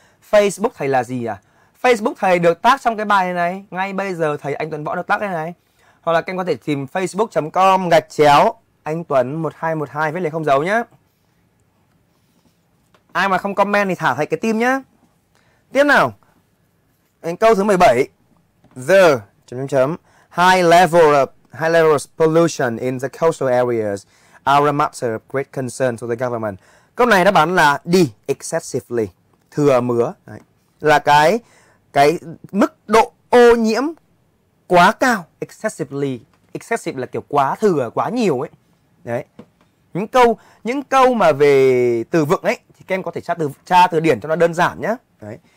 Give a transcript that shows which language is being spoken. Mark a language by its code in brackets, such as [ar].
[vi] Facebook thầy là gì à? Facebook thầy được tag trong cái bài này. Ngay bây giờ thầy Anh Tuấn Võ được tag cái này. Hoặc là các em có thể tìm facebook.com/ Anh Tuấn 1212 với lại không dấu nhá. Ai mà không comment thì thả thầy cái tim nhá. Tiếp nào. Đến câu thứ 17. [en] The high level of pollution in the coastal areas are a matter of great concern to the government. [vi] Câu này đáp án là D, excessively, thừa mứa. Đấy. Là cái mức độ ô nhiễm quá cao, excessively. Excessive là kiểu quá thừa, quá nhiều ấy. Đấy. Những câu mà về từ vựng ấy thì các em có thể tra từ điển cho nó đơn giản nhá. Đấy.